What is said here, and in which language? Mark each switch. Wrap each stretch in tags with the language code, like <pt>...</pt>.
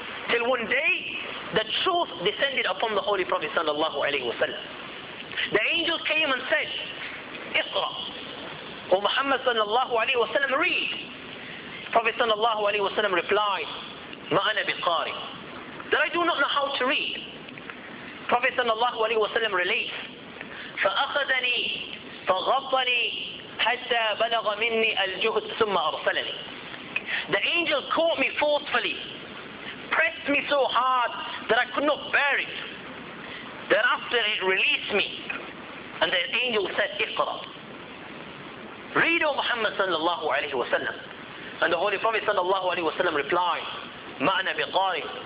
<en>Till one day, the truth descended upon the Holy Prophet sallallahu alayhi wa sallam. The angel came and said, اقرأ. Oh Muhammad sallallahu alayhi wa sallam, read. Prophet sallallahu alayhi wa sallam replied,</en> <ar>مَا أَنَا بِقَارِ.</ar> <en>That I do not know how to read. Prophet sallallahu alayhi wa sallam relates,</en> <ar>فَأَخَذَنِي فَغَطَّنِي حَتَّى بَلَغَ مِنِّي الْجُهُدْ ثُمَّ أَرْسَلَنِي.</ar> <en>The angel caught me forcefully, pressed me so hard that I could not bear it. Thereafter it released me. And the angel said, اقرأ. Read, O Muhammad sallallahu alayhi wa sallam. And the Holy Prophet sallallahu alayhi wa sallam replied,</en> <ar>مَا أَنَا بِقَارِي.</ar>